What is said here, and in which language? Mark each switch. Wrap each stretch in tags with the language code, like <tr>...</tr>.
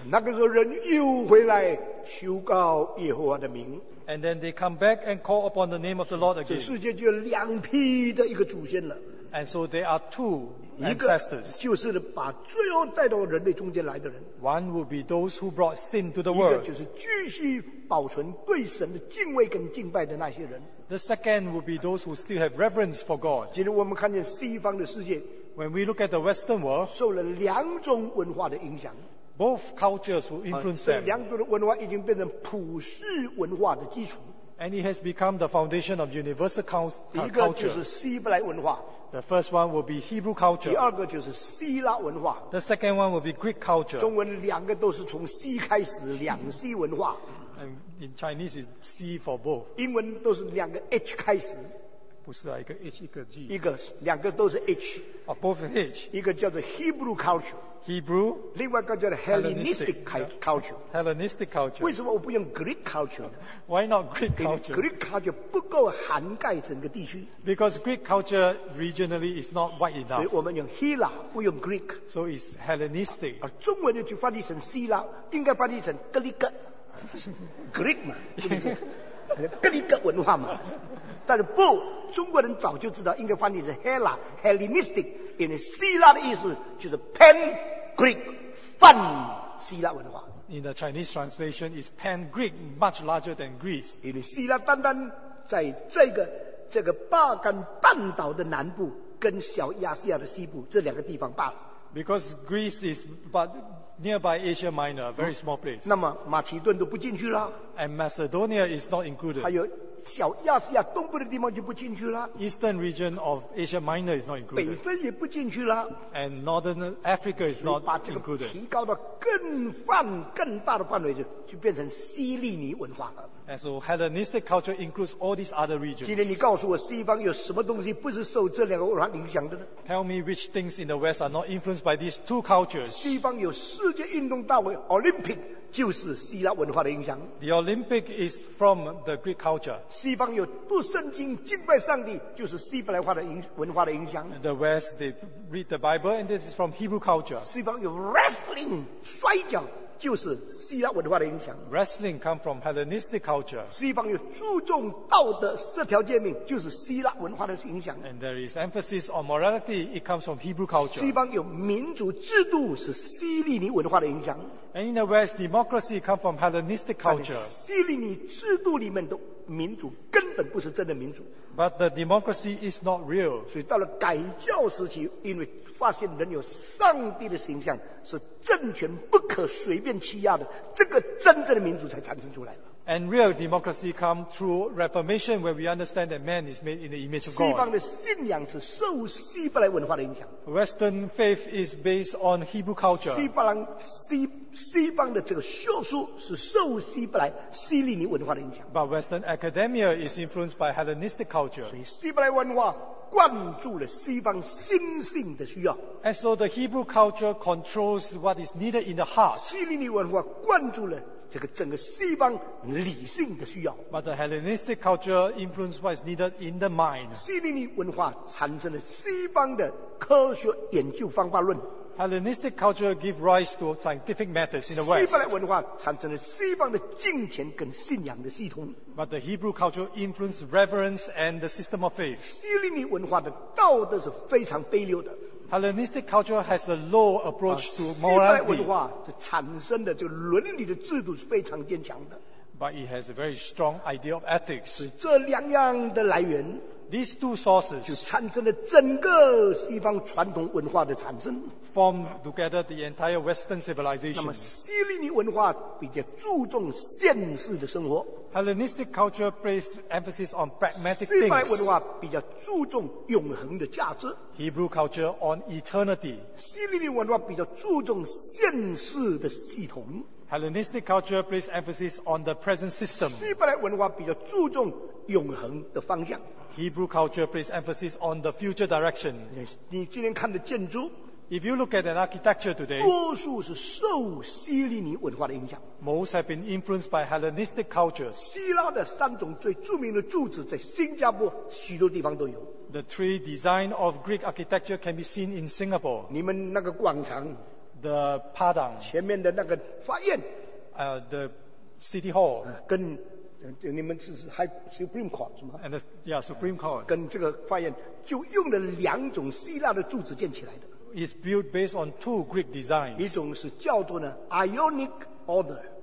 <zh>那个时候人又回来求告耶和华的名。</zh> <en>And then they come back and call upon the name of the Lord again.</en> <zh>这世界就有两批的一个祖先了。</zh> <en>And so there are two ancestors.</en> <zh>一个就是把罪恶带到人类中间来的人。</zh> <en>One would be those who brought sin to the world.</en> <zh>一个就是继续保存对神的敬畏跟敬拜的那些人。</zh> <en>The second would be those who still have reverence for God.</en> <zh>今天我们看见西方的世界。</zh> <en>When we look at the Western world,</en> <zh>受了两种文化的影响。</zh> <en>Both cultures will influence them.</en> <zh>这两种文化已经变成普世文化的基础。</zh> <en>And it has become the foundation of universal culture.</en> <zh>一个就是希伯来文化。</zh> <en>The first one will be Hebrew culture.</en> <zh>第二个就是希腊文化。</zh> <en>The second one will be Greek culture.</en> <zh>中文两个都是从希开始，两希文化。</zh> <en>And in Chinese, it's C for both.</en> <zh>英文都是两个 H 开始。不是啊，一个 H 一个 G。一个两个都是 H。</zh> <en>啊 ，both H。</en> <zh>一个叫做 Hebrew culture。</zh> <en>Hebrew。</en> <zh>另外一个叫做 Hellenistic culture。</zh> <en>Hellenistic culture。</en> <zh>为什么我不用 Greek culture？</zh> <en>Why not Greek culture？</en> <zh>Greek culture 不够涵盖整个地区。</zh> <en>Because Greek culture regionally is not wide enough。</en> <zh>所以我们用希腊，不用 Greek。</zh> <en>So it's Hellenistic。</en> <zh>啊，中文就翻译成希腊，应该翻译成格里格。 Greek 嘛，格里格文化嘛。但是不，中国人早就知道应该翻译是 Hellenistic， 因为希腊的意思就是 Pan Greek， 泛希腊文化。</zh> <en>In the Chinese translation is Pan Greek， much larger than Greece。</en> <zh>因为希腊单单在这个巴干半岛的南部跟小亚细亚的西部这两个地方罢了。</zh> <en>Because Greece is but nearby Asia Minor, very small place。</en> <zh>那么马其顿都不进去了。</zh> <en>And Macedonia is not included。</en> <zh>还有小亚细亚东部的地方就不进去了。</zh> <en>Eastern region of Asia Minor is not included。</en> <zh>北非也不进去了。</zh> <en>And Northern Africa is not included。</en> <zh>把这个提高到更大的范围就变成希利尼文化了。</zh> <en>And so Hellenistic culture includes all these other regions.</en> <zh>今天你告诉我，西方有什么东西不是受这两个文化影响的呢？</zh> <en>Tell me which things in the West are not influenced by these two cultures.</en> <zh>西方有世界运动大会 Olympic 就是希腊文化的影响。</zh> <en>The Olympic is from the Greek culture.</en> <zh>西方有读圣经敬拜上帝就是希伯来文化的影响。</zh> <en>The West they read the Bible and this is from Hebrew culture.</en> <zh>西方有 wrestling 摔跤。就是希腊文化的影响。</zh> <en>Wrestling come from Hellenistic culture.</en> <zh>西方有注重道德四条诫命，就是希腊文化的影响。</zh> <en>And there is emphasis on morality. It comes from Hebrew culture.</en> <zh>西方有民主制度，是希利尼文化的影响。</zh> <en>And in the West, democracy come from Hellenistic culture.</en> <zh>希利尼制度里面的民主根本不是真的民主。</zh> <en>But the democracy is not real.</en> <zh>所以到了改教时期，因为发现人有上帝的形象，是政权不可随便欺压的，这个真正的民主才产生出来了。</zh> <en>And real democracy comes through Reformation, where we understand that man is made in the image of God.</en> <zh>西方的信仰是受希伯来文化的影响。</zh> <en>Western faith is based on Hebrew culture.</en> <zh>西方的这个学术是受希伯来希利尼文化的影响。</zh> <en>But Western academia is influenced by Hellenistic culture.</en> <zh>所以希伯来文化灌注了西方心性的需要。</zh> <en>And so the Hebrew culture controls what is needed in the heart.</en> <zh>希利尼文化灌注了。这个整个西方理性的需要。</zh> <en>But the Hellenistic culture influence what is needed in the mind.</en> <zh>希利尼文化产生了西方的科学研究方法论。</zh> <en>Hellenistic culture give rise to scientific matters in the West.</en> <zh>希伯来文化产生了西方的金钱跟信仰的系统。</zh> <en>But the Hebrew culture influence reverence and the system of faith.</en> <zh>希利尼文化的道德是非常卑劣的。</zh> <en>Hellenistic culture has a low approach to morality.</en> <zh>希伯来文化是产生的这个伦理的制度是非常坚强的。</zh> <en>But it has a very strong idea of ethics.</en> <zh>是这两样的来源。</zh> <en>These two sources</en> <zh>就产生了整个西方传统文化的产生。</zh> <en>Form together the entire Western civilization.</en> <zh>那么希利尼文化比较注重现世的生活。</zh> <en>Hellenistic culture places emphasis on pragmatic things.</en> <zh>希伯来文化比较注重永恒的价值。</zh> <en>Hebrew culture on eternity.</en> <zh>希利尼文化比较注重现世的系统。</zh> <en>Hellenistic culture places emphasis on the present system.</en> <zh>希伯来文化比较注重永恒的方向。</zh> <en>Hebrew culture places emphasis on the future direction.</en> <zh>你今天看的建筑。</zh> <en>If you look at an architecture today,</en> <zh>多数是受希利尼文化的影响。</zh> <en>Most have been influenced by Hellenistic cultures.</en> <zh>希腊的三种最著名的柱子在新加坡许多地方都有。</zh> <en>The three design of Greek architecture can be seen in Singapore.</en> <zh>你们那个广场。</zh> <en>The Padang.</en> <zh>前面的那个法院。</zh> <en>The City Hall.</en> <zh>跟你们是还 Supreme Court 是吗</zh> <en>？And the, yeah, Supreme Court.</en> <zh>跟这个法院就用了两种希腊的柱子建起来的。</zh> <en>Is built based on two Greek designs.</en> <zh>一种是叫做呢 Ionic Order.</zh>